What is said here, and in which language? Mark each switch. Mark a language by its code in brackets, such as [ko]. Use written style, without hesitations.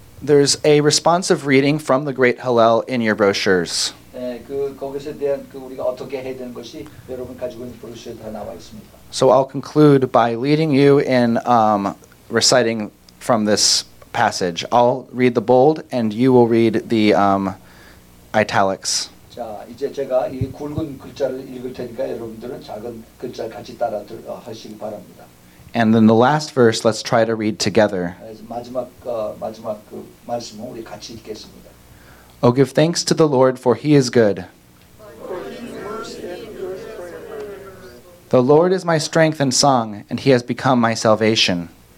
[en] There's a responsive reading from the Great Hallel in your brochures. [ko] 네, 거기에 대한 우리가 어떻게 해야 되는 것이 여러분 가지고 있는 브로셔에 다 나와 있습니다. [en] So I'll conclude by leading you in reciting from this passage. I'll read the bold, and you will read the italics. [ko] 자, 이제 제가 이 굵은 글자를 읽을 테니까 여러분들은 작은 글자 같이 따라 하시기 바랍니다. [en] And then the last verse, let's try to read together. [ko] 마지막 그 말씀을 우리 같이 읽겠습니다. [en] O give thanks to the Lord, for He is good. The Lord is my strength and song, and He has become my salvation.